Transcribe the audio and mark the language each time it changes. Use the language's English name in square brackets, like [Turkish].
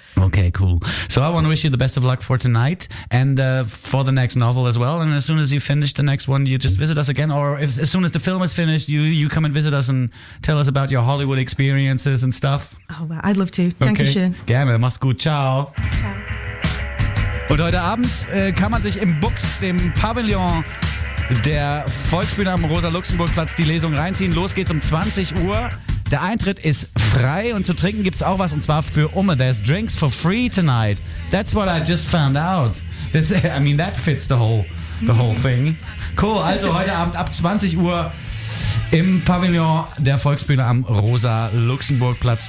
[English] Okay, cool. So I want to wish you the best of luck for tonight and for the next novel as well. And as soon as you finish the next one, you just visit us again. Or if, as soon as the film is finished, you come and visit us and tell us about your Hollywood experiences and stuff. Oh, wow. I'd love to. Okay. [German] Dankeschön. Gerne. Mach's gut. Ciao. Und heute Abend kann man sich im Bux, dem Pavillon der Volksbühne am Rosa-Luxemburg-Platz, die Lesung reinziehen. Los geht's um 20 Uhr. Der Eintritt ist frei und zu trinken gibt's auch was, und zwar für Umme. [English] There's drinks for free tonight. That's what I just found out. This, I mean, that fits the whole thing. [German] Cool, also heute Abend ab 20 Uhr im Pavillon der Volksbühne am Rosa-Luxemburg-Platz.